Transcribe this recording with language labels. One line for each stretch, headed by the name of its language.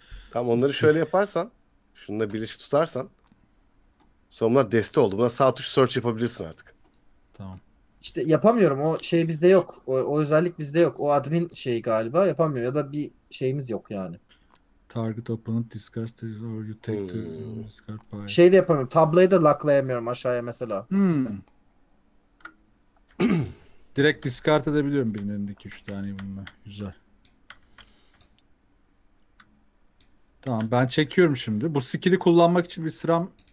Turkish: Tamam, onları
English: Okey.
Turkish: şöyle yaparsan, şununla birleşik tutarsan sonra deste oldu. Buna sağ tuş search yapabilirsin artık. Tamam. İşte yapamıyorum. O şey bizde yok. O özellik bizde yok. O admin şeyi galiba yapamıyor. Ya da bir şeyimiz yok yani.
English: Target opponent discards or you take to discard pile.
Turkish: Şey de yapamıyorum. Tabloyu da lucklayamıyorum aşağıya mesela. Hmm. Direkt discard edebiliyorum birinin elindeki 3 taneyi bununla. Güzel. Tamam, ben çekiyorum şimdi. Bu skill'i kullanmak için bir sıram